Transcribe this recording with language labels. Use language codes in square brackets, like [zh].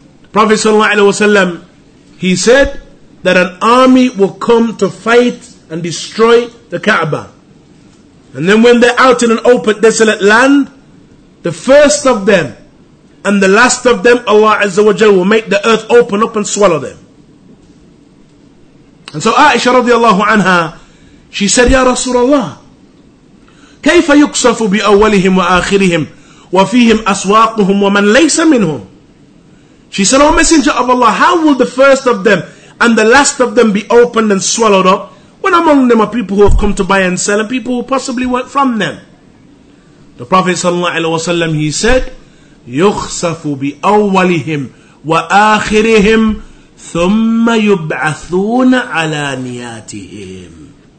[en] Prophet sallallahu alayhi wa sallam, he said that an army will come to fight and destroy the Kaaba. And then when they're out in an open desolate land, the first of them and the last of them, Allah Azza wa Jal will make the earth open up and swallow them. And so Aisha radiallahu anha, she said, [ar] Ya Rasulullah, كيف يكسف بأولهم وآخرهم وفيهم أسواقهم ومن ليس منهم. [en] She said, O Messenger of Allah, how will the first of them and the last of them be opened and swallowed up when among them are people who have come to buy and sell and people who possibly weren't from them? The Prophet ﷺ, he said, [ar] يُخْسَفُ بِأَوَّلِهِمْ وَآخِرِهِمْ ثُمَّ يُبْعَثُونَ عَلَى نِيَاتِهِمْ.